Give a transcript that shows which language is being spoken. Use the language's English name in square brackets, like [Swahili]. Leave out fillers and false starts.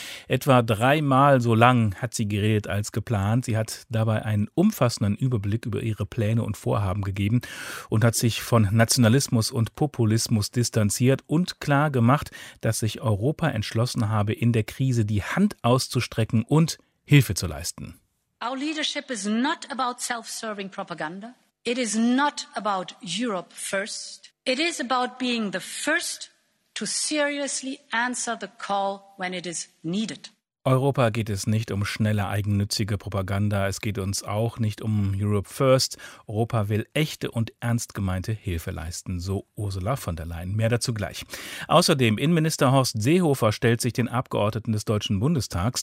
[German] Etwa dreimal so lang hat sie geredet als geplant. Sie hat dabei einen umfassenden Überblick über ihre Pläne und Vorhaben gegeben und hat sich von Nationalismus und Populismus distanziert und klar gemacht, dass sich Europa entschlossen habe, in der Krise die Hand auszustrecken und Hilfe zu leisten. [English] Our leadership is not about self-serving propaganda. It is not about Europe first. It is about being the first to seriously answer the call when it is needed. [German] Europa geht es nicht um schnelle, eigennützige Propaganda. Es geht uns auch nicht um [English] Europe first. [German] Europa will echte und ernst gemeinte Hilfe leisten, so Ursula von der Leyen. Mehr dazu gleich. Außerdem, Innenminister Horst Seehofer stellt sich den Abgeordneten des Deutschen Bundestags.